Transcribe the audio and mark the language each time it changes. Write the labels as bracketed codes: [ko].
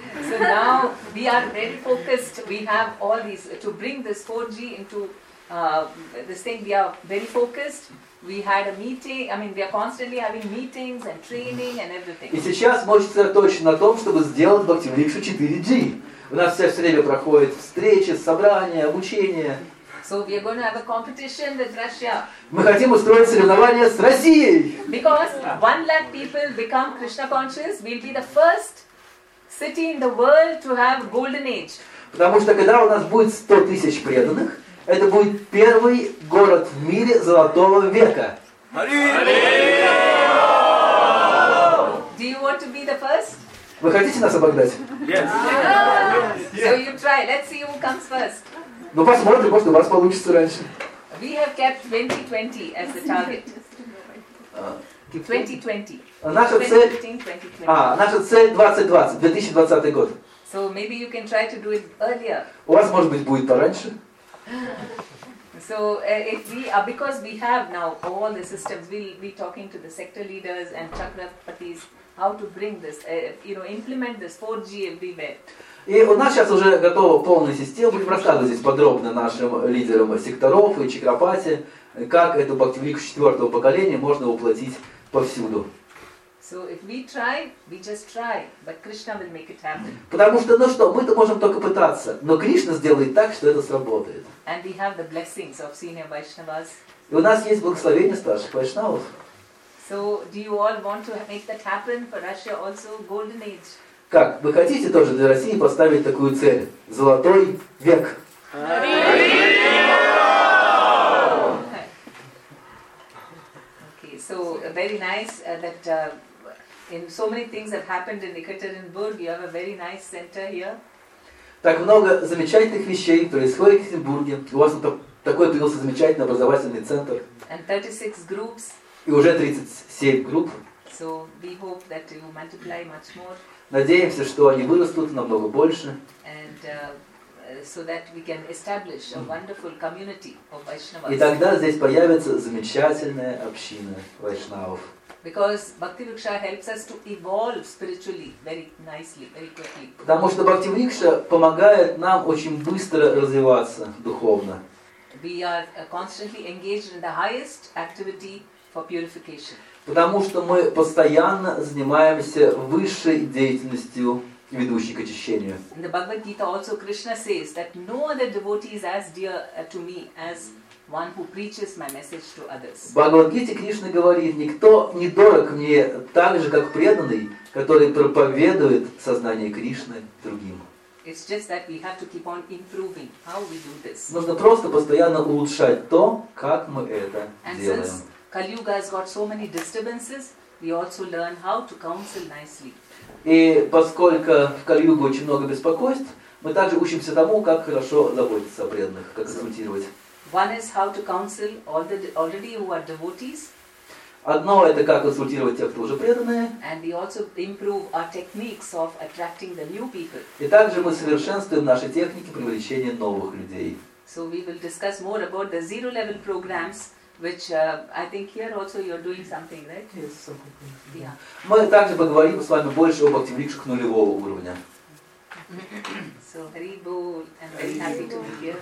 [en] So now we are very focused. We have all these to bring this 4G into this thing. We are very focused. We had a meeting. I mean, we are constantly having meetings and training and everything. [ru] И сейчас мы очень сосредоточены на том, чтобы сделать Бхактивриксу 4G. У нас все время проходят встречи, собрания, обучение. [en] So we are going to have a competition with Russia. [ru] Мы хотим устроить соревнование с Россией. [en] Because 1 lakh people become Krishna conscious, we'll be the first city in the world to have golden age. [ru] Потому что когда у нас будет 100 000 преданных, это будет первый город в мире золотого века. [en] Do you want to be the first? [ru] Вы хотите нас обогнать? [en] Yes. So you try. Let's see who comes first. [ru] Ну посмотрим, может у вас получится раньше. [en] We have kept 2020 as the target. 2020. [ru] Наша цель 2020 год. [en] So maybe you can try to do it earlier. [ru] У вас может быть будет пораньше. [en] So if we are because we have now all the systems, we'll be talking to the sector leaders and chakrapatis how to bring this, you know, implement this 4G everywhere. [ru] И у нас сейчас уже готова полная система. Будем рассказывать здесь подробно нашим лидерам секторов и Чакрапати, как эту Бхактивриксу четвертого поколения можно воплотить повсюду. [en] So if we try, we just try, but Krishna will make it happen. [ru] Потому что, ну что, мы-то можем только пытаться, но Кришна сделает так, что это сработает. [en] And we have the blessings of senior Vaishnavas. [ru] И у нас есть благословение старших вайшнавов. [en] So do you all want to make that happen for Russia also, golden age? [ru] Как? Вы хотите тоже для России поставить такую цель? Золотой век. [en] Okay, so very nice that in so many things have happened in Ekaterinburg. You have a very nice center here. [ru] Так много замечательных вещей происходит в Екатеринбурге. У вас такой появился замечательный образовательный центр. [en] And 36 groups. [ru] И уже 37 групп. [en] So we hope that you multiply much more. [ru] Надеемся, что они вырастут намного больше. [en] And, so that we can establish a wonderful community of Vaishnavas. [ru] И тогда здесь появится замечательная община вайшнавов. [en] Because Bhaktivriksha helps us to evolve spiritually very nicely, very quickly. [ru] Потому что Бхактивриксха помогает нам очень быстро развиваться духовно. [en] We are constantly engaged in the highest activity for purification. [ru] Потому что мы постоянно занимаемся высшей деятельностью, ведущей к очищению. [en] In the Bhagavad Gita also Krishna says that no other devotee is as dear to me as one who preaches my message to others. [ru] В Бхагавад Гите Кришна говорит, никто не дорог мне так же, как преданный, который проповедует сознание Кришны другим. [en] It's just that we have to keep on improving how we do this. [ru] Нужно просто постоянно улучшать то, как мы это делаем. [en] Kaliyuga has got so many disturbances, we also learn how to counsel nicely. [ru] И поскольку в Кали-Югу очень много беспокойств, мы также учимся тому, как хорошо заботиться о преданных, как консультировать. [en] One is how to counsel all the already who are devotees. [ru] Одно это как консультировать тех, кто уже преданные. [en] And we also improve our techniques of attracting the new people. [ru] И также мы совершенствуем наши техники привлечения новых людей. [en] So we will discuss more about the zero level programs. Which I think here also you're doing something, right? Yes. Yeah. [ru] Мы также поговорим с вами больше об активриксах нулевого уровня. [en] So very bold and very happy to be here.